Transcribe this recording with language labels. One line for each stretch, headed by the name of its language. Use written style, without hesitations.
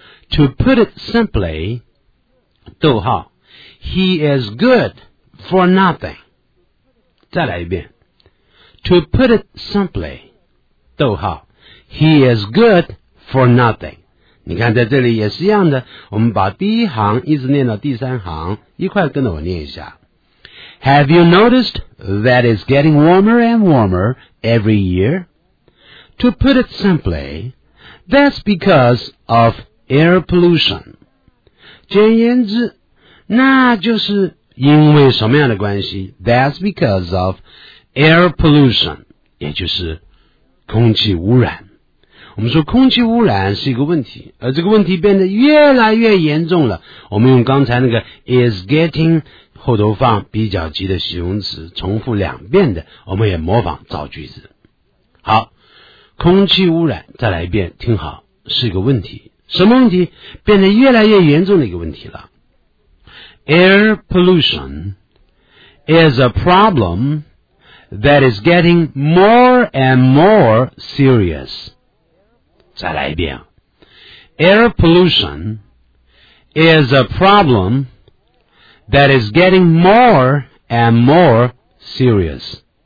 English: To put it simply，
Chinese: 逗号，
English: he is good for nothing。
Chinese: 再来一遍。
English: To put it simply，
Chinese: 逗号，
English: He is good for nothing。
Chinese: 你看在这里也是一样的，我们把第一行一直念到第三行，一块跟着我念一下。
English: Have you noticed that it's getting warmer and warmer every year? To put it simply, that's because of air pollution.
Chinese: 简言之，那就是因为什么样的关系？
English: That's because of air pollution，
Chinese: 也就是空气污染。我们说空气污染是一个问题，而这个问题变得越来越严重了。我们用刚才那个 is getting 后头放比较级的形容词，重复两遍的，我们也模仿造句子。好，空气污染，再来一遍，听好，是一个问题。什么问题？变得越来越严重的一个问题了。
English: Air pollution is a problem that is getting more and more serious。
Chinese: 再来一遍。
English: Air pollution is a problem that is getting more and more serious。